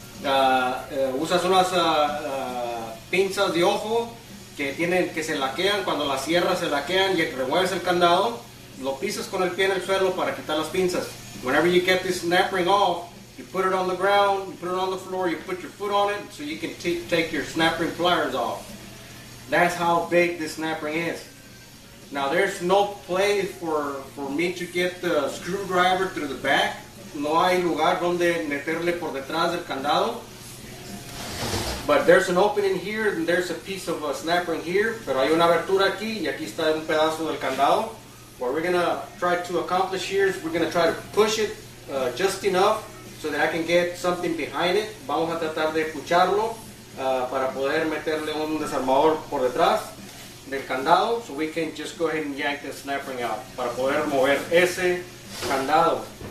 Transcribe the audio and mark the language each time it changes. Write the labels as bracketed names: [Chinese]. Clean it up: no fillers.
[Spanish] Usas unas pinzas de ojo que tienen que se laquean. Cuando las cierras, se laquean. Y remueves el candado. Lo pisas con el pie en el suelo para quitar las pinzas. [English] Whenever you get this snap ring off, you put it on the ground, you put it on the floor, you put your foot on it so you can take your snap ring pliers off. That's how big this snap ring is. Now there's no place for me to get the screwdriver through the back. [Spanish] No hay lugar donde meterle por detrás del candado. [English] But there's an opening here and there's a piece of a snap ring here. [Spanish] Pero hay una abertura aquí y aquí está un pedazo del candado. [English] What we're going to try to accomplish here is we're going to try to push it just enough so that I can get something behind it. [Spanish] Vamos a tratar de pucharlo para poder meterle un desarmador por detrás del candado, [English] so we can just go ahead and yank the snap ring out [Spanish] para poder mover ese candado.